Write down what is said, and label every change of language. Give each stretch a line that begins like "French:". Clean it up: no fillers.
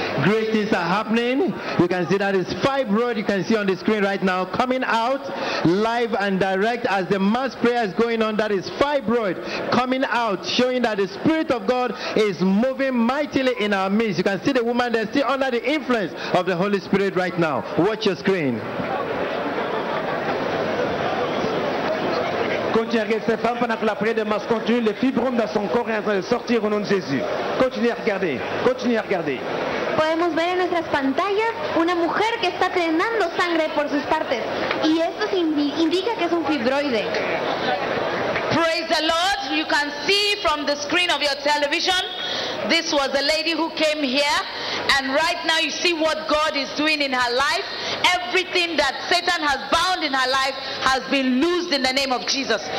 English: Great things are happening. You can see that is fibroid. You can see on the screen right now coming out live and direct as the mass prayer is going on. That is fibroid coming out, showing that the Spirit of God is moving mightily in our midst. You can see the woman there still under the influence of the Holy Spirit right now. Watch your screen.
French: Continuez à regarder cette femme pendant que la prière de masse continue. Les fibromes dans son corps sont en train de sortir au nom de Jésus. Continuez à regarder. Continuez à regarder.
Spanish: Podemos ver en nuestras pantallas una mujer que está drenando sangre por sus partes. Y esto indica que es un fibroide.
English: Praise the Lord. You can see from the screen of your television, this was a lady who came here. And right now you see what God is doing in her life. Everything that Satan has bound in her life has been loosed in the name of Jesus.